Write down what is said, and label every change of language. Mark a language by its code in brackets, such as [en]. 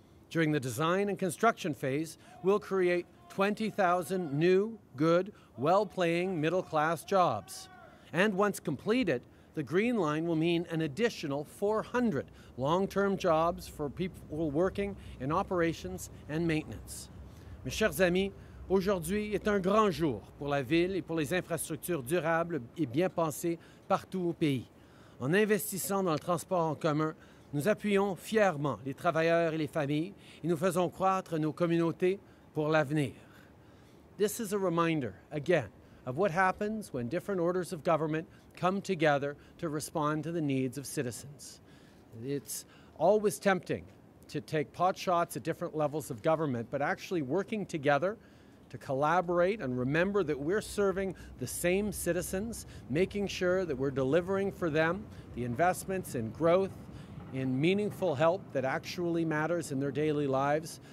[en] During the design and construction phase, we'll create 20,000 new, good, well-paying middle-class jobs. And once completed, the Green Line will mean an additional 400 long-term jobs for people working in operations and maintenance. [fr] Mes chers amis, aujourd'hui est un grand jour pour la ville et pour les infrastructures durables et bien pensées partout au pays. En investissant dans le transport en commun, nous appuyons fièrement les travailleurs et les familles et nous faisons croître nos communautés pour l'avenir. [en] This is a reminder, again, of what happens when different orders of government come together to respond to the needs of citizens. It's always tempting to take pot shots at different levels of government, but actually working together to collaborate and remember that we're serving the same citizens, making sure that we're delivering for them the investments in growth, in meaningful help that actually matters in their daily lives.